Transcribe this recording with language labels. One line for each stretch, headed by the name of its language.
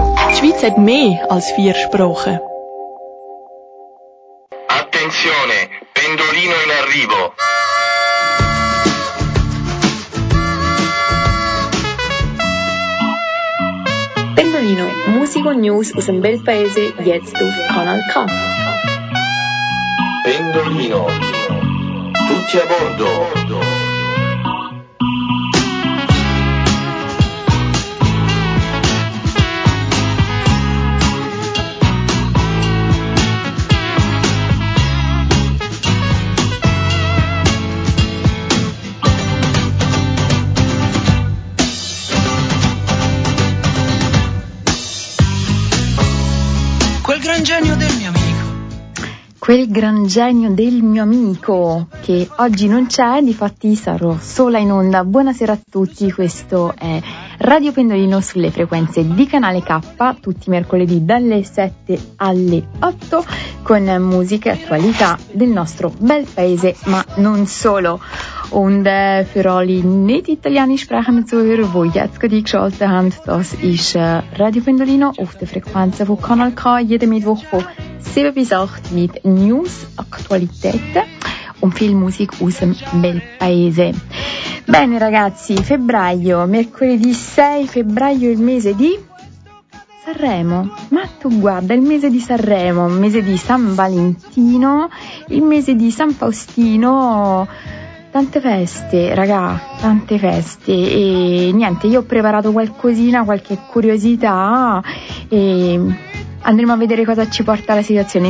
German: Die Schweiz hat mehr als vier Sprachen.
Italian: Attenzione, pendolino in arrivo.
German: Pendolino, Musik und News aus dem Weltpaese, jetzt auf Kanal K.
Italian: Pendolino, tutti a bordo. Quel gran genio del mio amico, che oggi non c'è, difatti sarò sola in onda. Buonasera a tutti, questo è Radio Pendolino sulle frequenze di Canale K, tutti i mercoledì dalle 7 alle 8, con musica e attualità del nostro bel paese, ma non solo.
German: Und für alle nicht italienisch sprechenden Zuhörer, die jetzt gerade eingeschaltet haben, das ist Radio Pendolino auf der Frequenz von Kanal K, jeden Mittwoch von 7 bis 8 mit News, Aktualitäten und viel Musik aus dem bel paese.
Italian: Bene ragazzi, febbraio, mercoledì 6 febbraio, il mese di Sanremo. Ma tu guarda, il mese di Sanremo, il mese di San Valentino, il mese di San Faustino. Tante feste, raga, tante feste. E niente, io ho preparato qualcosina, qualche curiosità, e andremo a vedere cosa ci porta la situazione.